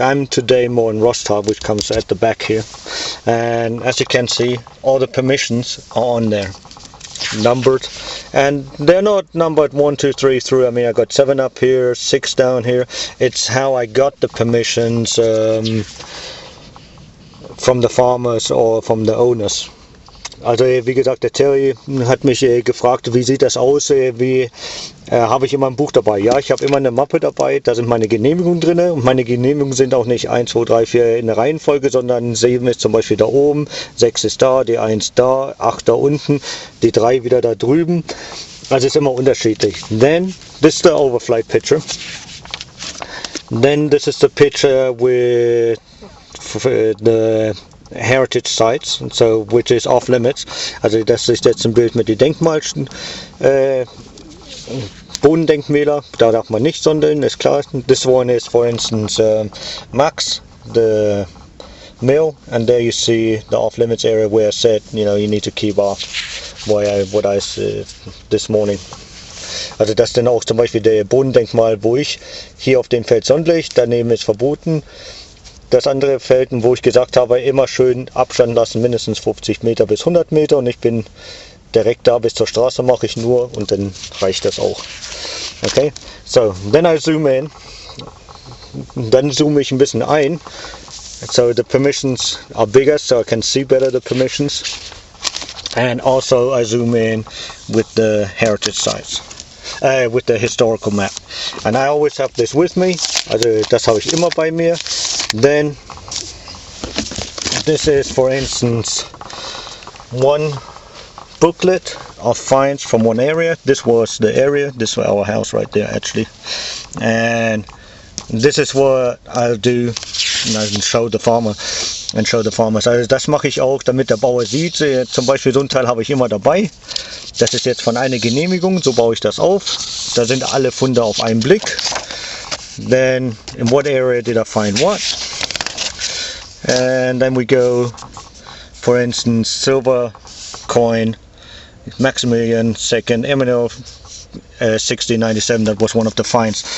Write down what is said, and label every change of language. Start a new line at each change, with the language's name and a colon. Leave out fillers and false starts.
English: I'm today more in Roßthal, which comes at the back here, and as you can see, all the permissions are on there, numbered, and they're not numbered 1, 2, 3 through. I mean, I got 7 up here, 6 down here. It's how I got the permissions from the farmers or from the owners.
German: Also, wie gesagt, der Terry hat mich gefragt, wie sieht das aus, habe ich immer ein Buch dabei? Ja, ich habe immer eine Mappe dabei, da sind meine Genehmigungen drin. Und meine Genehmigungen sind auch nicht 1, 2, 3, 4 in der Reihenfolge, sondern 7 ist zum Beispiel da oben, 6 ist da, die 1 da, 8 da unten, die 3 wieder da drüben. Also ist immer unterschiedlich.
English: Then, this is the overflight picture. Then, this is the picture with the heritage sites, so which is off limits.
German: Also das ist jetzt ein Bild mit den Denkmalen, Bodendenkmäler, da darf man nicht sondern, ist klar.
English: This one is for instance Max, the mill, and there you see the off limits area where I said, you know, you need to keep off what I said this morning.
German: Also das ist dann auch zum Beispiel der Bodendenkmal, wo ich hier auf dem Feld Sonnenlicht, daneben ist verboten. Das andere Feld, wo ich gesagt habe, immer schön Abstand lassen, mindestens 50 Meter bis 100 Meter, und ich bin direkt da bis zur Straße, mache ich nur, und dann reicht das auch.
English: Okay, so, then I zoom in.
German: Dann zoome ich ein bisschen ein.
English: So the permissions are bigger, so I can see better the permissions. And also I zoom in with the heritage sites. With the historical map. And I always have this with me.
German: Also das habe ich immer bei mir.
English: Then, this is for instance one booklet of finds from one area. This was the area, this was our house right there actually. And this is what I'll do, and show the farmer.
German: Also das mache ich auch, damit der Bauer sieht. Zum Beispiel so ein Teil habe ich immer dabei. Das ist jetzt von einer Genehmigung, so baue ich das auf. Da sind alle Funde auf einen Blick.
English: Then, in what area did I find what? And then we go, for instance, silver coin, Maximilian II, Emmanuel 1697, that was one of the finds.